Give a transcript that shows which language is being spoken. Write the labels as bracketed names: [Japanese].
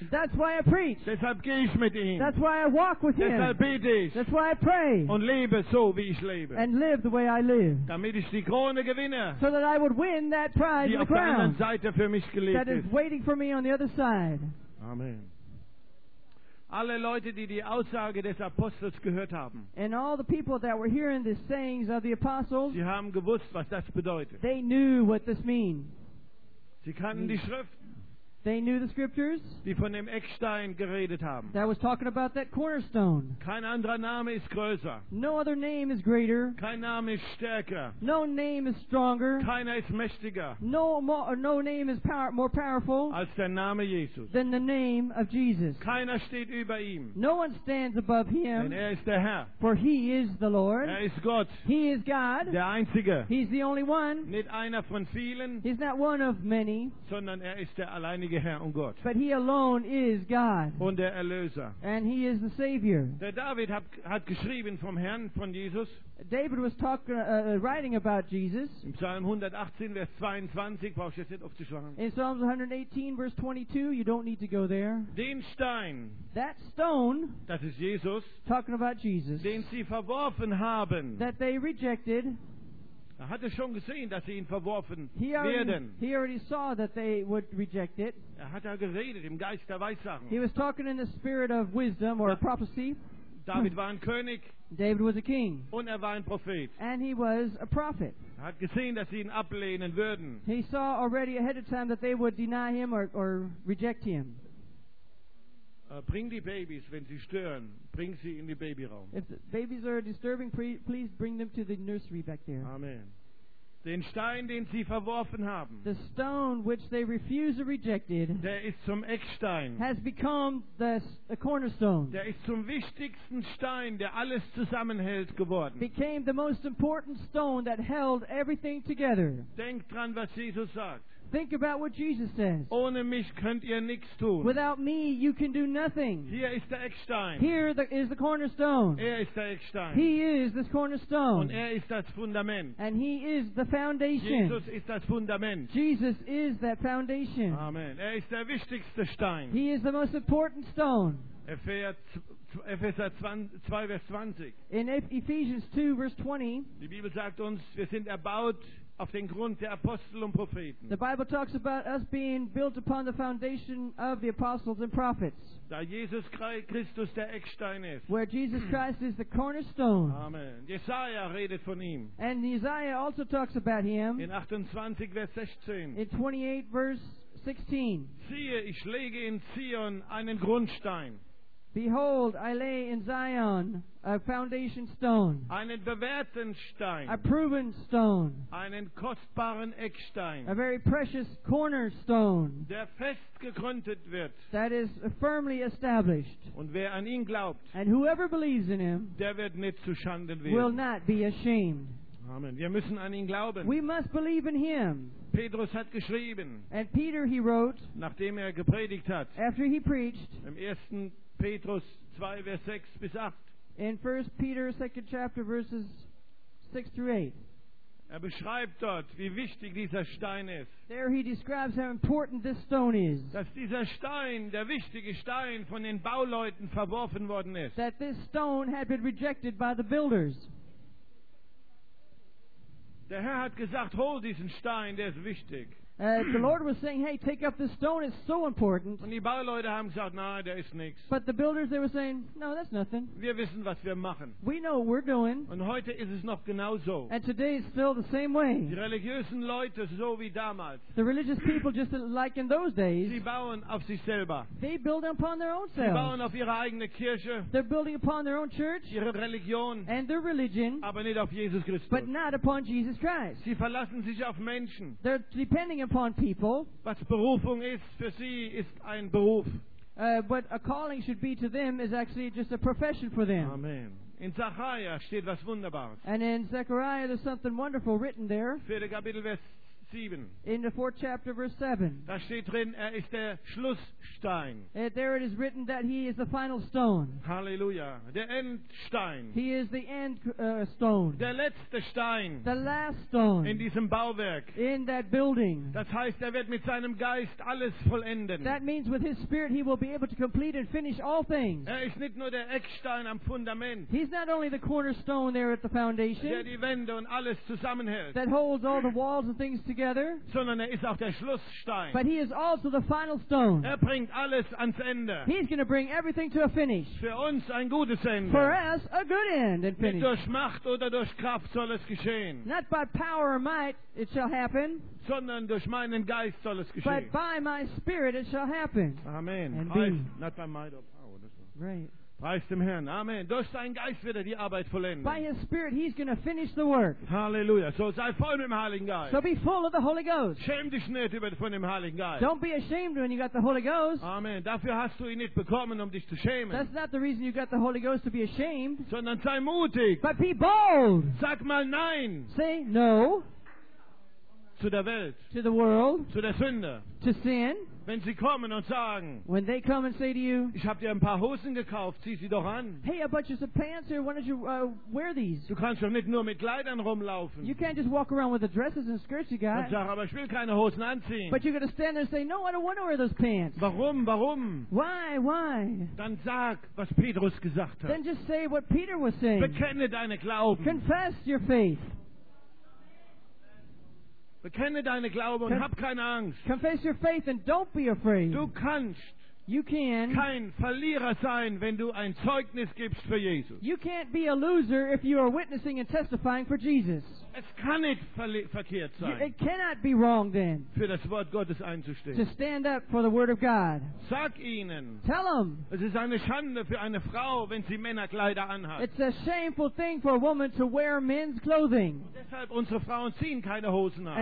[English] That's why I preach. [German] Deshalb gehe ich mit ihm. [English] That's why I walk with [German] deshalb [English] him. [German] Deshalb bete ich. [English] That's why I pray. [German] Und lebe so, wie ich lebe. [English] And live the way I live. [German] Damit ich die Krone gewinne. [English] So that I would win that prize, [German] die [English] the crown. [German] Auf der anderen Seite für mich gelegt [English] that is waiting for me on the other side. Amen. [German] Alle Leute, die Aussage des Apostels gehört haben. [English] And all the people that were hearing the sayings of the apostles. [German] Sie haben gewusst, was das bedeutet. [English] They knew what this means. [German] Sie kannten die Schrift. [English] They knew the scriptures, [German] die von dem Eckstein geredet haben. [English] That was talking about that cornerstone. [German] Kein anderer Name ist größer. [English] No other name is greater. [German] Kein Name ist stärker. [English] No name is stronger. [German] Keiner ist mächtiger. [English] No name is more powerful [German] als der Name Jesus. [English] Than the name of Jesus. [German] Keiner steht über ihm. [English] No one stands above him. [German] Denn er ist der Herr. [English] For he is the Lord. [German] Er ist Gott. [English] He is God. [German] Der Einzige. [English] He's the only one. [German] Nicht einer von vielen. [English] He's not one of many. [German] Sondern er ist der Allein. Herr und Gott. [English] But he alone is God. [German] Und der Erlöser. [English] And he is the Savior. [German] Der David hat geschrieben vom Herrn, von Jesus. [English] David was talking, writing about Jesus. [German] In Psalm 118, Vers 22, brauche ich jetzt nicht aufzuschlagen. [English] In Psalms 118, Vers 22, you don't need to go there. [German] Den Stein. [English] That stone. [German] Das ist Jesus. [English] Talking about Jesus. [German] Den sie verworfen haben. [English] That they rejected. [German] Er hatte schon gesehen, dass sie ihn verworfen werden. [English] He already saw that they would reject it. [German] Er hat ja geredet im Geist der Weissagung. [English] He was talking in the spirit of wisdom or prophecy. [German] David war ein König. [English] David was a king. [German] Und er war ein Prophet. [English] And he was a prophet. [German] Er hat gesehen, dass sie ihn ablehnen würden. [English] He saw already ahead of time that they would deny him or reject him. [German] Bring die Babys, wenn sie stören, bring sie in den Babyraum. [English] If the babies are disturbing, please bring them to the nursery back there. [German] Amen. Den Stein, den sie verworfen haben, [English] the stone which they refused or rejected, [German] der ist zum Eckstein, [English] has become the cornerstone. [German] Der ist zum wichtigsten Stein, der alles zusammenhält, geworden. [English] Became the most important stone that held everything together. [German] Denk dran, was Jesus sagt. [English] Think about what Jesus says. [German] Ohne mich könnt ihr nichts tun. [English] Without me, you can do nothing. [German] Hier ist der Eckstein. [English] Here is the cornerstone. [German] Er ist der Eckstein. [English] He is this cornerstone. [German] Und er ist das Fundament. [English] And he is the foundation. [German] Jesus ist das Fundament. [English] Jesus is that foundation. [German] Amen. Er ist der wichtigste Stein. [English] He is the most important stone. [German] Epheser 2, Vers 20. [English] In Ephesians 2, Vers 20. [German] Die Bibel sagt uns, wir sind erbaut auf den Grund der Apostel und Propheten. [English] The Bible talks about us being built upon the foundation of the apostles and prophets. [German] Da Jesus Christus der Eckstein ist. [English] Where Jesus Christ is the cornerstone. [German] Amen. Jesaja redet von ihm. [English] And Isaiah also talks about him. [German] In 28, Vers 16. [English] In 28, Vers 16. [German] Siehe, ich lege in Zion einen Grundstein. [English] Behold, I lay in Zion a foundation stone. [German] Einen bewährten Stein. [English] A proven stone. [German] Einen kostbaren Eckstein. [English] A very precious cornerstone. [German] Der fest gegründet wird. [English] That is firmly established. [German] Und wer an ihn glaubt. [English] And whoever believes in him. [German] Der wird nicht zu Schanden werden. [English] Will not be ashamed. [German] Amen. Wir müssen an ihn glauben. [English] We must believe in him. [German] Petrus hat geschrieben. [English] And Peter he wrote. [German] Nachdem er gepredigt hat. [English] After he preached. [German] Im ersten Petrus 2, Vers 6 bis 8. [English] In 1 Peter 2 chapter verses 6 through 8. [German] Er beschreibt dort, wie wichtig dieser Stein ist. [English] There he describes how important this stone is. [German] Dass dieser Stein, der wichtige Stein, von den Bauleuten verworfen worden ist. [English] That this stone had been rejected by the builders. [German] Der Herr hat gesagt, hol diesen Stein, der ist wichtig. [English] The Lord was saying, hey, take up this stone, it's so important. [German] Und die Bauleute haben gesagt, nein, der ist nichts. [English] But the builders, they were saying, no, that's nothing. [German] Wir wissen, was wir machen. [English] We know what we're doing. [German] Und heute ist es noch genauso. [English] And today it's still the same way. [German] Die religiösen Leute, so wie damals. [English] The religious people, just like in those days. [German] Sie bauen auf sich selber. [English] They build upon their own selves. [German] Sie bauen auf ihre eigene Kirche. [English] They're building upon their own church. [German] Ihre Religion. [English] And their religion. [German] Aber nicht auf Jesus Christus. [English] But not upon Jesus Christ. [German] Sie verlassen sich auf Menschen. [English] They're depending upon people. [German] Was Berufung ist für sie, ist ein Beruf. [English] What a calling should be to them is actually just a profession for them. [German] Amen. In Zachariah steht was Wunderbares. [English] And in Zechariah there's something wonderful written there. [German] Vierte Kapitel, Vers 7. [English] In the fourth chapter, verse 7. [German] Da steht drin, er ist der Schlussstein. [English] There it is written that he is the final stone. [German] Halleluja. Der Endstein. [English] He is the end stone. [German] Der letzte Stein. [English] The last stone. [German] In diesem Bauwerk. [English] In that building. [German] Das heißt, er wird mit seinem Geist alles vollenden. [English] That means with his spirit he will be able to complete and finish all things. [German] Er ist nicht nur der Eckstein am Fundament. [English] He's not only the cornerstone there at the foundation. [German] Der die Wände und alles zusammenhält. [English] That holds all the walls and things together. [German] Sondern er ist auch der Schlussstein. [English] But he is also the final stone. [German] Er bringt alles ans Ende. [English] He's going to bring everything to a finish. [German] Für uns ein gutes Ende. [English] For us, a good end and finish. [German] Nicht durch Macht oder durch Kraft soll es geschehen. [English] Not by power or might it shall happen. [German] Sondern durch meinen Geist soll es geschehen. [English] But by my spirit it shall happen. Amen. Not by might or power. Right. [German] Preist dem Herrn. Amen. Durch seinen Geist wird er die Arbeit vollenden. [English] By his spirit, he's going to finish the work. [German] Halleluja. So sei voll mit dem Heiligen Geist. [English] So be full of the Holy Ghost. [German] Schäm dich nicht über von dem Heiligen Geist. [English] Don't be ashamed when you got the Holy Ghost. Amen. [German] Dafür hast du ihn nicht bekommen, um dich zu schämen. [English] That's not the reason you got the Holy Ghost, to be ashamed. [German] Sondern sei mutig. [English] But be bold. [German] Sag mal nein. [English] Say no. [German] Zu der Welt. [English] To the world. [German] Zu der Sünde. [English] To sin. [German] Wenn sie kommen und sagen, [English] when they come and say to you, [German] ich habe dir ein paar Hosen gekauft, zieh sie doch an. [English] Hey, I bought you some pants here, why don't you wear these? [German] Du kannst doch nicht nur mit Kleidern rumlaufen. [English] You can't just walk around with the dresses and skirts you got. [German] Und sag, aber ich will keine Hosen anziehen. [English] But you're going to stand there and say, no, I don't want to wear those pants. [German] Warum, warum? [English] Why, why? [German] Dann sag, was Petrus gesagt hat. [English] Then just say what Peter was saying. [German] Bekenne deine Glauben. [English] Confess your faith. [German] Bekenne deine Glaube und hab keine Angst. [English] Confess your faith and don't be afraid. [German] Du kannst kein Verlierer sein, wenn du ein Zeugnis gibst für Jesus. [English] You can't be a loser if you are witnessing and testifying for Jesus. [German] Es kann nicht verkehrt sein. [English] It cannot be wrong then. [German] Für das Wort Gottes einzustehen. [English] To stand up for the word of God. [German] Sag ihnen. [English] Tell them. [German] Es ist eine Schande für eine Frau, wenn sie Männerkleider anhat. [English] It's a shameful thing for a woman to wear men's clothing. [German] Und deshalb unsere Frauen ziehen keine Hosen an.